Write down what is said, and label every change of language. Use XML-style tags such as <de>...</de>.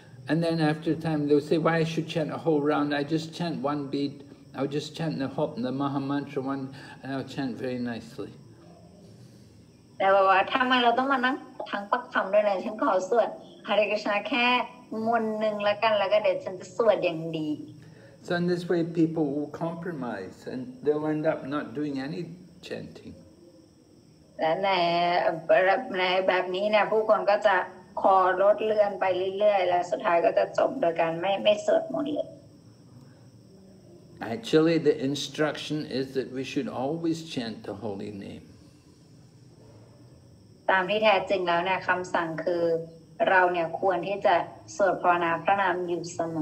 <en>And then after time, they'll say, why I should chant a whole round? I just chant one beat. I'll just chant the Maha Mantra one, and I'll chant very nicely.</en> <th>แต่บอกว่าทำไมเราต้องมานั่งทั้งปักคำด้วยนะฉันขอสวดฮาริกาชนะแค่มวลหนึ่งแล้วกันแล้วก็เดี๋ยวฉันจะสวดอย่างดี</th> <en>So in this way people will compromise and they'll end up not doing any chanting</en> <th>และในแบบนี้เนี่ยผู้คนก็จะขอลดเลื่อนไปเรื่อยๆและสุดท้ายก็จะจบโดยการไม่สวดมนต์เลย</th> <en>Actually, the instruction is that we should always chant the holy name.</en> <th>ตามที่แท้จริงแล้วเนี่ยคำสั่งคือเราเนี่ยควรที่จะสวดภาวนาพระนามอยู่เสม</th>